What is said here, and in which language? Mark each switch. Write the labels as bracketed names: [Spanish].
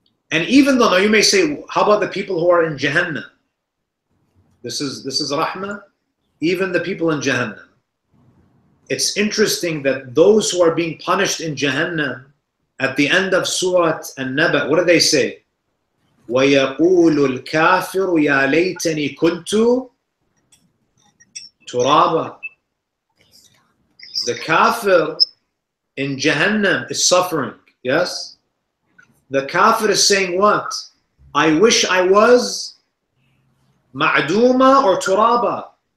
[English] And even though, now you may say, how about the people who are in Jahannam? This is rahmah, even the people in Jahannam. It's interesting that those who are being punished in Jahannam, at the end of Surah An-Naba, what do they say? [Arabic] وَيَقُولُ الْكَافِرُ يَا لَيْتَنِي كُنْتُ تُرَابًا. [English] The kafir in Jahannam is suffering, yes? The kafir is saying what? I wish I was ma'duma or turaba.